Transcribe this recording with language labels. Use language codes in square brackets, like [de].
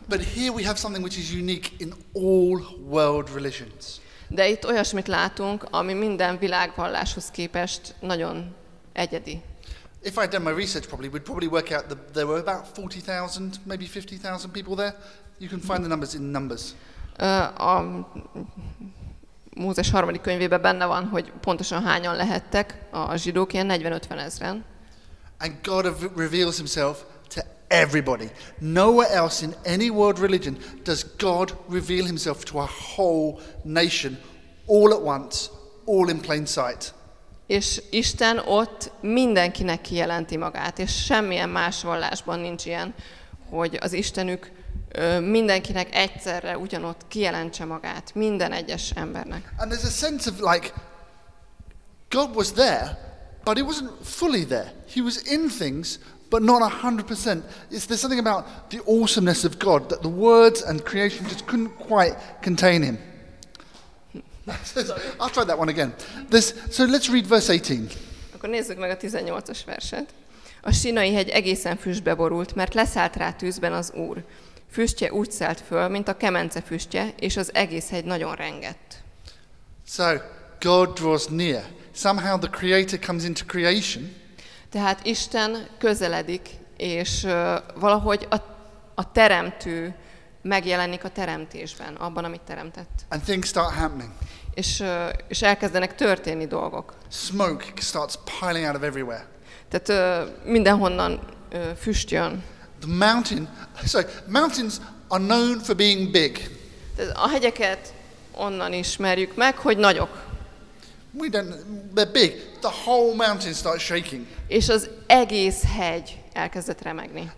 [en] But here we have something which is unique in all world religions. [hu] De itt olyasmit látunk, ami minden világvalláshoz képest nagyon egyedi. [en] If I'd done my research probably we'd probably work out that there were about 40,000, maybe 50,000 people there. You can find the numbers in numbers. [hu] A Mózes harmadik könyvében benne van, hogy pontosan hányan lehettek a zsidók, ilyen 40-50 ezeren. [en] And God reveals himself to everybody. Nowhere else in any world religion does God reveal himself to a whole nation all at once, all in plain sight. [hu] És Isten ott mindenkinek kijelenti magát, és semmilyen más vallásban nincs ilyen, hogy az Istenük mindenkinek egyszerre ugyanott kijelentse magát, minden egyes embernek. [en] And there's a sense of like, God was there, but he wasn't fully there. He was in things, but not 100%. There's something about the awesomeness of God, that the words and creation just couldn't quite contain him. I'll try that one again. So let's read verse 18. [hu] Akkor nézzük meg a 18-as verset. A Sinai hegy egészen füstbe borult, mert leszállt rá tűzben az Úr. Füstje úgy szállt föl, mint a kemence füstje, és az egész hegy nagyon rengett. [en] So, God draws near. somehow the creator comes into creation. [hu] Tehát Isten közeledik, és valahogy a teremtő megjelenik a teremtésben, abban, amit teremtett. [en] And things start happening. [hu] És elkezdenek történni dolgok. [en] Smoke starts piling out of everywhere. [hu] Tehát mindenhonnan füst jön. [en] The mountain, mountains are known for being big. [hu] Tehát a hegyeket onnan ismerjük meg, hogy nagyok. [en] We don't, they're big. The whole mountain starts shaking. [hu] És az egész hegy elkezdett remegni.